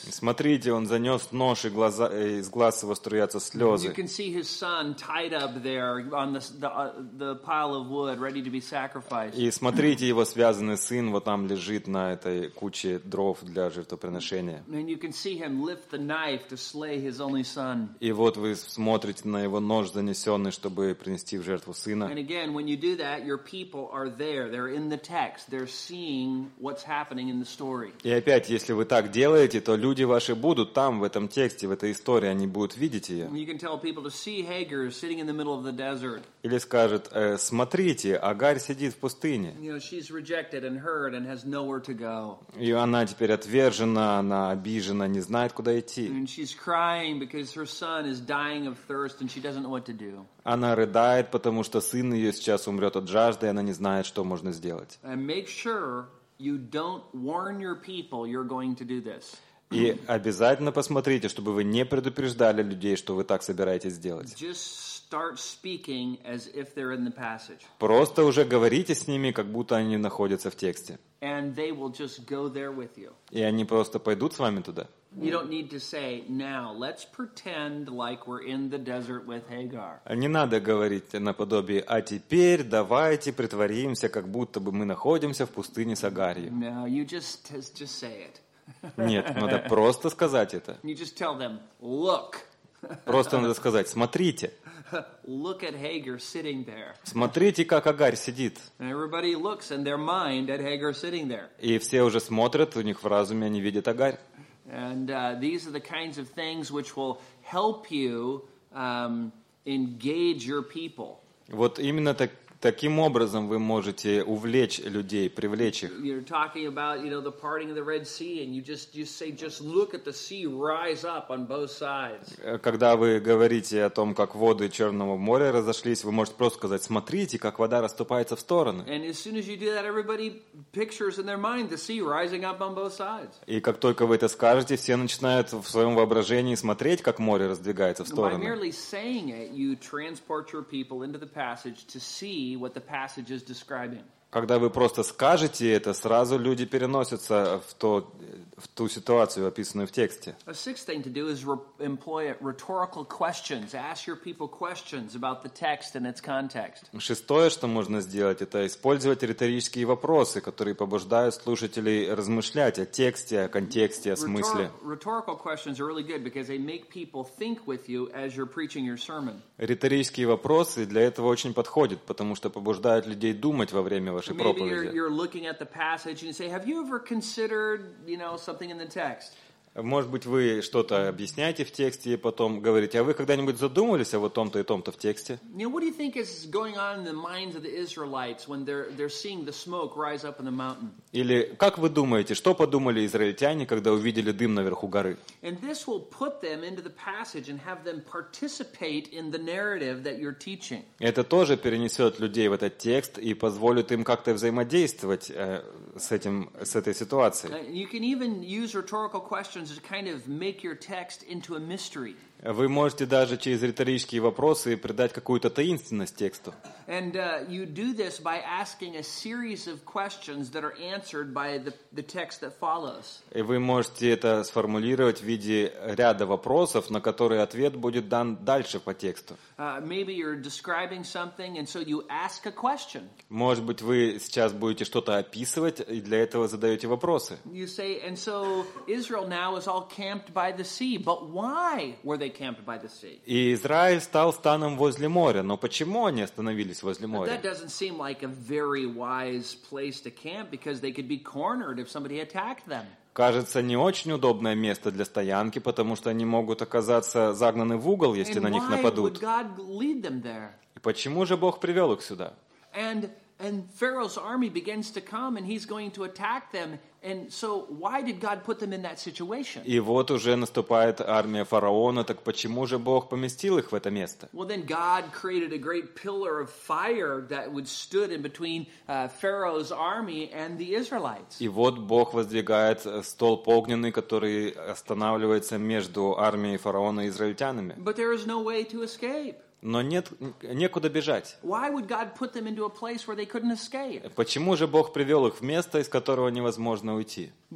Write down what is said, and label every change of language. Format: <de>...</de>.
<ru>Смотрите, он занес нож, и глаза, из глаз его струятся слезы.</ru> <en>You can see his son tied up there on the pile of wood, ready to be sacrificed.</en> <ru>И смотрите, его связанный сын вот там лежит на этой куче дров для жертвоприношения.</ru> <en>You can see him lift the knife to slay his only son.</en> <ru>И вот вы смотрите на его нож, занесенный, чтобы принести в жертву сына.</ru> <en>And again, when you do that, your people are there. They're in the text. They're seeing what's happening in the story.</en> <ru>И опять, если вы так делаете, то люди ваши будут там в этом тексте, в этой истории, они будут видеть ее.</ru> <en>You can tell people to see Hagar sitting in the middle of the desert.</en> <ru>Или скажет, смотрите, Агарь сидит в пустыне.</ru> <en>You know, she's rejected and hurt and has nowhere to go.</en> <ru>И она теперь отвержена, она обижена. И жена не знает, куда идти.</ru> <en>And she's crying because her son is dying of thirst and she doesn't know what to do.</en> <ru>Она рыдает, потому что сын ее сейчас умрет от жажды, и она не знает, что можно сделать.</ru> <en>And make sure you don't warn your people you're going to do this.</en> <ru>И обязательно посмотрите, чтобы вы не предупреждали людей, что вы так собираетесь сделать.</ru> <en>Just start speaking as if they're in the passage.</en> <ru>Просто уже говорите с ними, как будто они находятся в тексте.</ru> <en>And they will just go there with you.</en> <ru>И они просто пойдут с вами туда.</ru> <en>You don't need to say now. Let's pretend like we're in the desert with Hagar.</en> <ru>Не надо говорить наподобие. А теперь давайте притворимся, как будто бы мы находимся в пустыне с Агарью.</ru> <en>No, you just say it.</en> <ru>Нет, надо просто сказать это.</ru> <en>You just tell them, look.</en> <ru>Просто надо сказать, смотрите.</ru> <en>Look at Hagar sitting there.</en> <ru>Смотрите, как Агарь сидит.</ru> <en>And everybody looks in their mind at Hagar sitting there.</en> <ru>И все уже смотрят, у них в разуме они видят Агарь.</ru> <en>And these are the kinds of things which will help you engage your people.</en> <ru>Вот именно так. Таким образом вы можете увлечь людей, привлечь их.</ru> <en>You're talking about, you know, the parting of the Red Sea, and you say, just look at the sea rise up on both sides.</en> <ru>Когда вы говорите о том, как воды Черного моря разошлись, вы можете просто сказать, смотрите, как вода расступается в стороны.</ru> <en>And as soon as you do that, everybody pictures in their mind the sea rising up on both sides.</en> <ru>И как только вы это скажете, все начинают в своем воображении смотреть, как море раздвигается в стороны.</ru> <en>By merely saying it, you transport your people into the passage to see what the passage is describing.</en> <ru>Когда вы просто скажете это, сразу люди переносятся в ту ситуацию, описанную в тексте.</ru> <en>A sixth thing to do is employ rhetorical questions. Ask your people questions about the text and its context.</en> <ru>Шестое, что можно сделать, это использовать риторические вопросы, которые побуждают слушателей размышлять о тексте, о контексте, о смысле.</ru> <en>Rhetorical questions are really good because they make people think with you as you're preaching your sermon.</en> <ru>Риторические вопросы для этого очень подходят, потому что побуждают людей думать во время вашей проповеди.</ru> <en>Maybe you're looking at the passage and you say, have you ever considered, you know, something in the text?</en> <ru>Может быть, вы что-то объясняете в тексте и потом говорите, а вы когда-нибудь задумывались о вот том-то и том-то в тексте?</ru> <en>You know, what do you think is going on in the minds of the Israelites when they're seeing the smoke rise up in the mountain?</en> <ru>Или как вы думаете, что подумали израильтяне, когда увидели дым наверху горы?</ru> <en>And this will put them into the passage and have them participate in the narrative that you're teaching.</en> <ru>Это тоже перенесет людей в этот текст и позволит им как-то взаимодействовать с этой ситуацией.</ru> <en>You can even use rhetorical questions to kind of make your text into a mystery.</en> <ru>Вы можете даже через риторические вопросы придать какую-то таинственность тексту.</ru> <en>And you do this by asking a series of questions that are answered by the text that follows.</en> <ru>И вы можете это сформулировать в виде ряда вопросов, на которые ответ будет дан дальше по тексту.</ru> <en>Maybe you're describing something, and so you ask a question.</en> <ru>Может быть, вы сейчас будете что-то описывать и для этого задаете вопросы.</ru> <en>You say, and so Israel now is all camped by the sea, but why were they camped by the sea?</en> <ru>И Израиль стал станом возле моря, но почему они остановились?</ru> <en>That doesn't seem like a very wise place to camp because they could be cornered if somebody attacked them.</en> <ru>Кажется, не очень удобное место для стоянки, потому что они могут оказаться загнаны в угол, если на них нападут.</ru> <en>Why would God lead them there?</en> <ru>И почему же Бог привел их сюда?</ru> <en>And Pharaoh's army begins to come, and he's going to attack them. And so, why did God put them in that situation?</en> <ru>И вот уже наступает армия фараона, так почему же Бог поместил их в это место?</ru> <en>Well, then God created a great pillar of fire that would stood in between Pharaoh's army and the Israelites.</en> <ru>И вот Бог воздвигает столб огненный, который останавливается между армией фараона и израильтянами.</ru> <en>But there is no way to escape.</en> <ru>Но нет, некуда бежать. Почему же Бог привел их в место, из которого невозможно уйти?</ru>